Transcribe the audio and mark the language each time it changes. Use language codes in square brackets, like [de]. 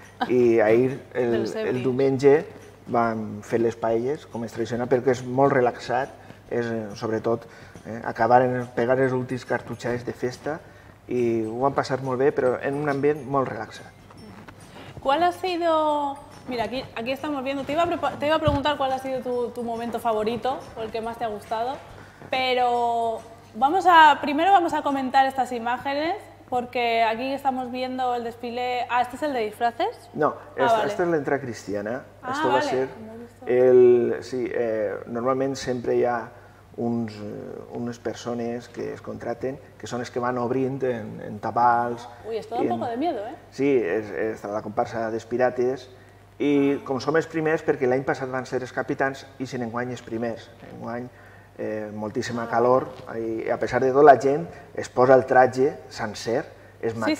[ca] i ahir, el diumenge, vam fer les paelles, com és tradicional, perquè és molt relaxat, és, sobretot, acabar en pegar els últims cartutxades de festa i ho han passat molt bé, però en un ambient molt relaxat. [es] ¿Cuál ha sido...? Mira, aquí estamos viendo. Te iba a preguntar cuál ha sido tu momento favorito o el que más te ha gustado, pero primero vamos a comentar estas imágenes, porque aquí estamos viendo el desfile... Ah, ¿este es el de disfraces? No, esta es la entrada cristiana. Ah, esto vale. Va a ser el... [ca] Sí, normalment sempre hi ha unes persones que es contraten, que són els que van obrint en tabals... Ui, és tot un poc de miedo, eh? Sí, és la comparsa dels pirates, i com som els primers, perquè l'any passat van ser els capitans, i sent enguany els primers, enguany moltíssima calor, i a pesar de tot la gent es posa el traje sencer, es maquilla...